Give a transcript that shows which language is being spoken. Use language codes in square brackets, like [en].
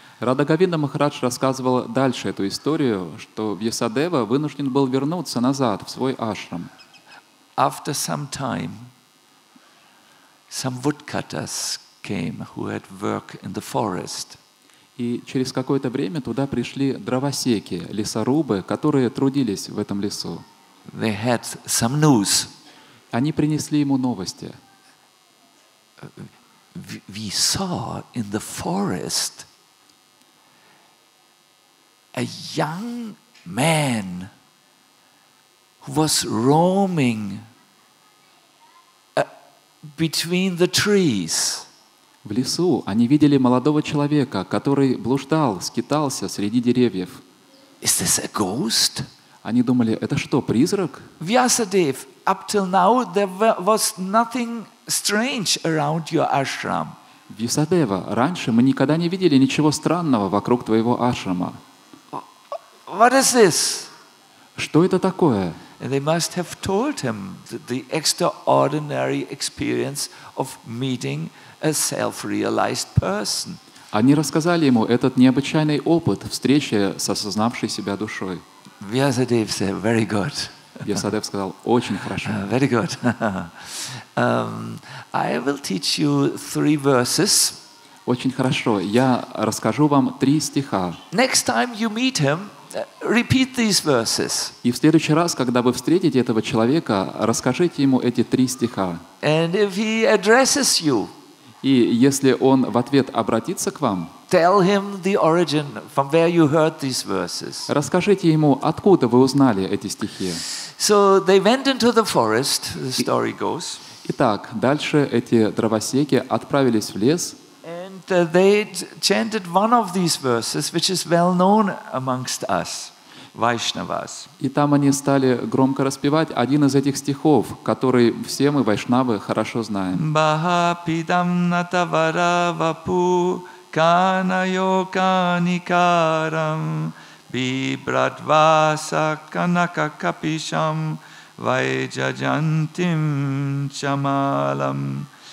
[ru] Радха Говинда Махарадж рассказывал дальше эту историю, что Вьясадева вынужден был вернуться назад в свой ашрам. [en] After some time, some woodcutters came who had work in the forest. [ru] И через какое-то время туда пришли дровосеки, лесорубы, которые трудились в этом лесу. [en] They had some news. [ru] Они принесли ему новости. [en] We saw in the forest a young man who was roaming between the trees. [ru] В лесу они видели молодого человека, который блуждал, скитался среди деревьев. [en] Is this a ghost? [ru] Они думали, это что, призрак? [en] Vyasadev, up till now there was nothing strange around your ashram. [ru] Vyasadeva, раньше мы никогда не видели ничего странного вокруг твоего ашрама. [en] What is this? [ru] Что это такое? [en] And they must have told him the extraordinary experience of meeting a self-realized person. [ru] Они рассказали ему этот необычайный опыт встречи с осознавшей себя душой. [en] Vyasadev said, "Very good." [ru] Vyasadev сказал, очень хорошо. [en] Very good. I will teach you three verses. [ru] Очень хорошо. Я расскажу вам три стиха. [en] Next time you meet him, repeat these verses. [ru] И в следующий раз, когда вы встретите этого человека, расскажите ему эти три стиха. [en] And if he addresses you, [ru] и если он в ответ обратится к вам, [en] tell him the origin from where you heard these verses. [ru] Расскажите ему, откуда вы узнали эти стихи. [en] So they went into the forest, the story goes. [ru] Итак, дальше эти дровосеки отправились в лес. [en] And they chanted one of these verses, which is well known amongst us, Vaishnavas. [ru] И там они стали громко распевать один из этих стихов, который все мы, вайшнавы, хорошо знаем. [sa] Баха пидам натавара вапу канайо каникарам бибрадваса канака капишам вайджаджантим чамалам